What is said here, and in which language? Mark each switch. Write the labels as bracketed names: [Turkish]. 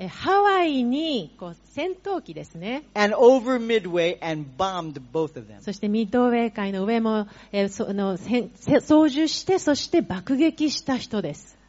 [Japanese] Hawaii にこう戦闘機ですね。 [English] And over Midway and bombed both of them. [Japanese] そしてミッドウェー海の上も、その操縦して、そして爆撃した人です。